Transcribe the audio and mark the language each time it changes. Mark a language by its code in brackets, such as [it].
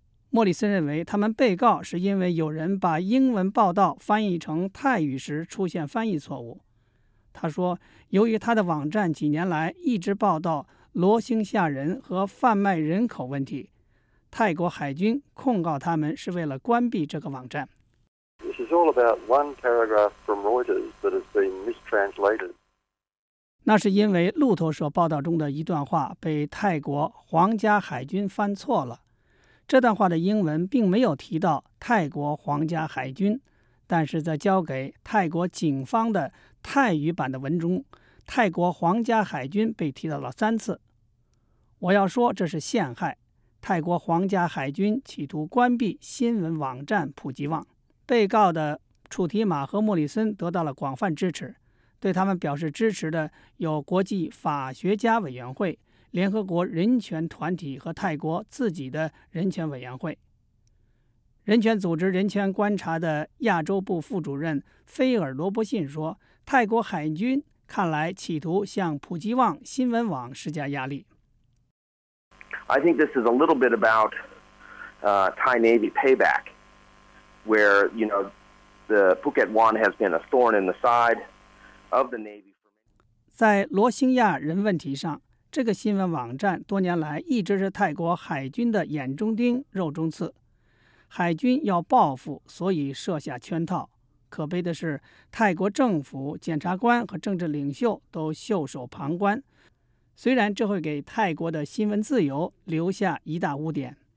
[zh] 莫里森认为他们被告是因为有人把英文报道翻译成泰语时出现翻译错误。他说由于他的网站几年来一直报道罗兴亚人和贩卖人口问题，泰国海军控告他们是为了关闭这个网站。 [en] This is all about one paragraph from Reuters that has been mistranslated. [zh] 那是因为路透社报道中的一段话被泰国皇家海军翻错了。这段话的英文并没有提到泰国皇家海军，但是在交给泰国警方的泰语版的文中，泰国皇家海军被提到了三次。我要说这是陷害，泰国皇家海军企图关闭新闻网站普吉旺。被告的楚提马和莫里森得到了广泛支持，对他们表示支持的有国际法学家委员会、联合国人权团体和泰国自己的人权委员会。人权组织人权观察的亚洲部副主任菲尔·罗伯逊说，泰国海军看来企图向普吉旺新闻网施加压力。 [en] I think this is a little bit about Thai Navy payback, where you know the Phuket One has been a thorn in the side of the Navy. [zh] 在罗兴亚人问题上，这个新闻网站多年来一直是泰国海军的眼中钉、肉中刺。海军要报复，所以设下圈套。可悲的是，泰国政府、检察官和政治领袖都袖手旁观，虽然这会给泰国的新闻自由留下一大污点。